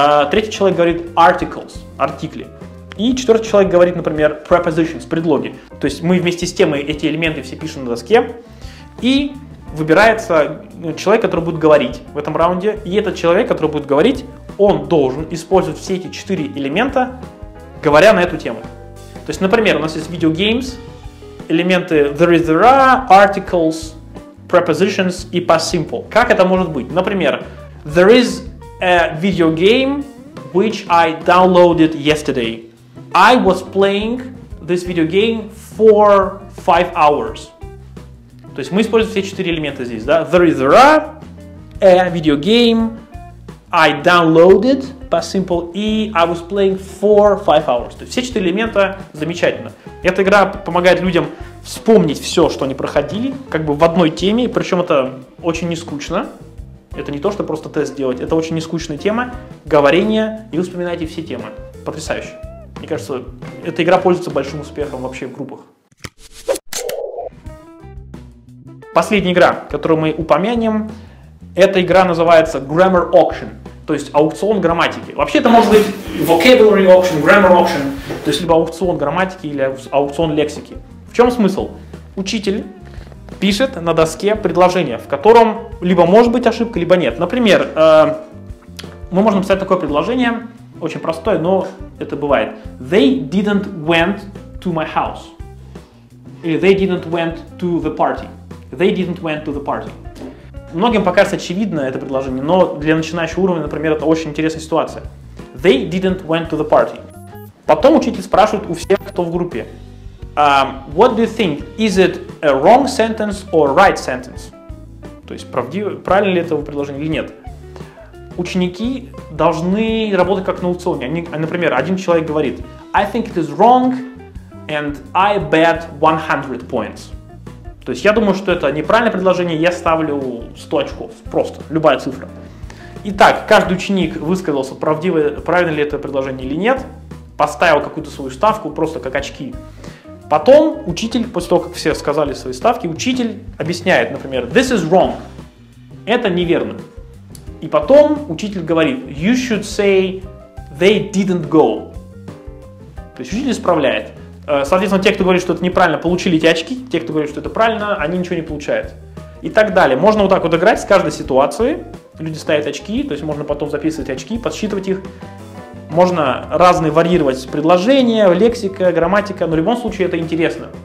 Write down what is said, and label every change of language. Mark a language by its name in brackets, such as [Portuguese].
[Russian] Третий человек говорит articles, артикли. И четвертый человек говорит, например, prepositions, предлоги. То есть мы вместе с темой эти элементы все пишем на доске. И выбирается человек, который будет говорить в этом раунде. И этот человек, который будет говорить, он должен использовать все эти 4 элемента, говоря на эту тему. То есть, например, у нас есть video games, элементы there is there are, articles, prepositions и past simple. Как это может быть? Например, [English] there is a video game which I downloaded yesterday. I was playing this video game for 5 hours. [Russian] То есть мы используем все 4 элемента здесь, да? [English] There is there are, a video game, I downloaded, past simple, и I was playing for 5 hours. [Russian] То есть все 4 элемента замечательно. Эта игра помогает людям вспомнить все, что они проходили, как бы в одной теме, причем это очень не скучно. Это не то, что просто тест делать, это очень нескучная тема, говорение, и вы вспоминаете все темы. Потрясающе. Мне кажется, эта игра пользуется большим успехом вообще в группах. Последняя игра, которую мы упомянем, эта игра называется Grammar Auction, то есть аукцион грамматики. Вообще это может быть Vocabulary Auction, Grammar Auction, то есть либо аукцион грамматики или аукцион лексики. В чем смысл? Учитель пишет на доске предложение, в котором либо может быть ошибка, либо нет. Например, мы можем написать такое предложение, очень простое, но это бывает. [English] They didn't went to my house. [Russian] Или [English] they didn't went to the party. They didn't went to the party. [Russian] Многим покажется очевидно это предложение, но для начинающего уровня, например, это очень интересная ситуация. [English] They didn't went to the party. [Russian] Потом учитель спрашивает у всех, кто в группе. [English] What do you think? Is it a wrong sentence or right sentence? [Russian] То есть, правильно ли это в предложении или нет? Ученики должны работать как на аукционе. Они, например, один человек говорит [English] I think it is wrong and I bet 100 points. [Russian] То есть я думаю, что это неправильное предложение, я ставлю 100 очков, просто, любая цифра. Итак, каждый ученик высказался, правдиво, правильно ли это предложение или нет, поставил какую-то свою ставку, просто как очки. Потом учитель, после того, как все сказали свои ставки, учитель объясняет, например, [English] this is wrong, [Russian] это неверно. И потом учитель говорит, [English] you should say they didn't go. [Russian] То есть учитель исправляет. Соответственно, те, кто говорит, что это неправильно, получили эти очки. Те, кто говорит, что это правильно, они ничего не получают. и так далее. Можно вот так вот играть с каждой ситуацией. Люди ставят очки, то есть можно потом записывать очки, подсчитывать их. Можно разные варьировать предложения, лексика, грамматика, но в любом случае это интересно.